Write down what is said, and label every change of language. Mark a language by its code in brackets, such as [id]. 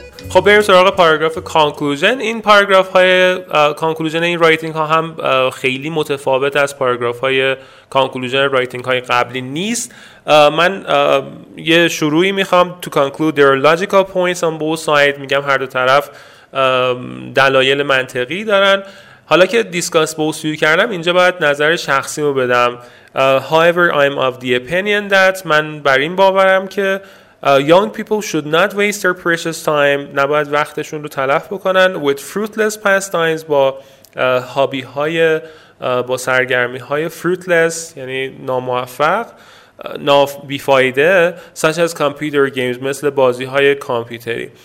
[fa] خب بریم سراغ پاراگراف کانکلوژن. این پاراگراف های کانکلوژن این رایتینگ ها هم خیلی متفاوت از پاراگراف های کانکلوژن رایتینگ های قبلی نیست. من یه شروعی میخوام. [en] To conclude there are logical points on both sides. [fa] میگم هر دو طرف دلایل منطقی دارن. حالا که دیسکاس بوس ویو کردم اینجا باید نظر شخصی رو بدم. [en] However I'm of the opinion that [fa] من بر این باورم که [en] young people should not waste their precious time, [fa] نباید وقتشون رو تلف بکنن [en] with fruitless pastimes, [fa] با هابی های با سرگرمی های fruitless یعنی ناموفق بیفایده [en] such as computer games, [fa] مثل بازی های کامپیوتری.